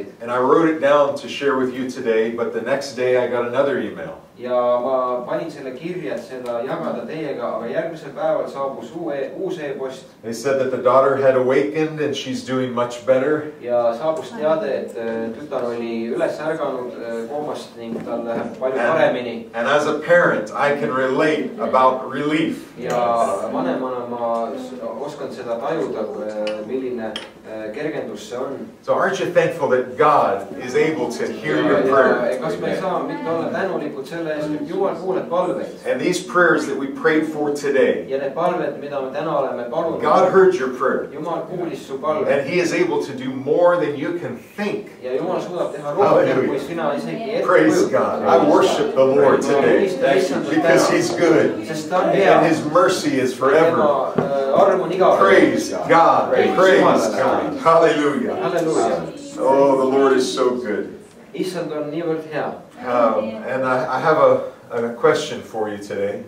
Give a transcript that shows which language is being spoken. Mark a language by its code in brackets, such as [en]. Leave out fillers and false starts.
[en] I wrote it down to share with you today, but the next day I got another email. [et] Ja ma panin selle kirja, et seda jagada teiega, aga järgmisel päeval saabus uus e-post. [en] They said that the daughter had awakened and she's doing much better. [et] Ja saabus teade, et tütar oli üles ärganud koomast ning tal läheb palju paremini. [en] And as a parent, I can relate about relief. [et] Ja vanemana ma oskan seda tajuda, milline kergendus see on. [en] So aren't you thankful that God is able to hear your prayer? [et] Kas me ei saa mitte olla tänulikud selle eest, et Jumal kuuleb palved? [en] And these prayers that we prayed for today. [et] Ja need palved, mida me täna oleme palunud. [en] God heard your prayer. [et] Jumal kuulis su palved. [en] And He is able to do more than you can think. [et] Ja Jumal suudab teha rohkem, kui sina isegi ette kujutad. [en] Praise God. I worship the Lord today. Because He's good. [et] Sest ta on hea. [en] And His mercy is forever. [et] Ja ta arm on igal. [en] Praise God. Praise God. Hallelujah. Oh, the Lord is so good. And I have a question for you today.